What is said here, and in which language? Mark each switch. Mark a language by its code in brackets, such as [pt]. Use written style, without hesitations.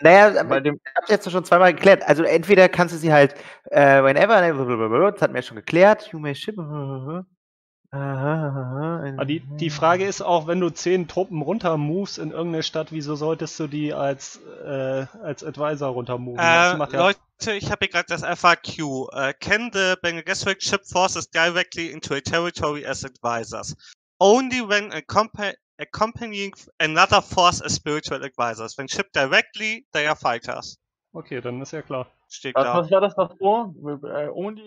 [de] Naja, ich habe es jetzt schon zweimal geklärt. Also entweder kannst du sie halt whenever, das hat mir ja schon geklärt, you may ship. Aha. Die Frage ist auch, wenn du 10 Truppen runter moves in irgendeine Stadt, wieso solltest du die als Advisor runter move? Leute, ich habe hier gerade das FAQ. [en] Can the Bene Gesserit ship forces directly into a territory as advisors? Only when accompanying another force as spiritual advisors. When ship directly, they are fighters. [de] Okay, dann ist ja klar. Steht klar. Was war das davor? Only